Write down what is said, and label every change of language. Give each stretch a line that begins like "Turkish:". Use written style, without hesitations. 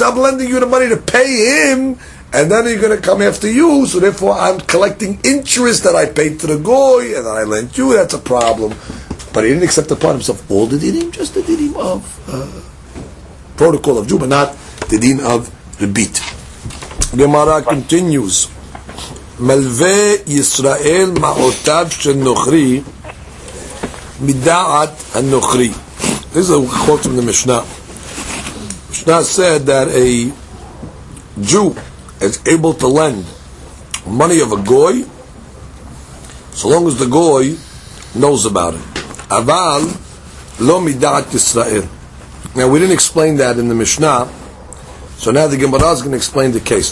English: I'm lending you the money to pay him, and then he's going to come after you, so therefore I'm collecting interest that I paid to the Goy and that I lent you. That's a problem. But he didn't accept upon himself all the dinim, just the dinim of protocol of Jew, but not the din of Rebit. Gemara continues.
Hebrew: מלווה ישראל מעותיו של נוכרי מדעת הנוכרי.
English: This is a quote from the Mishnah. Mishnah said that a Jew is able to lend money of a goy so long as the goy knows about it.
Hebrew: Aval lo midat Yisrael.
English: Now we didn't explain that in the Mishnah, so now the Gemara is going to explain the case.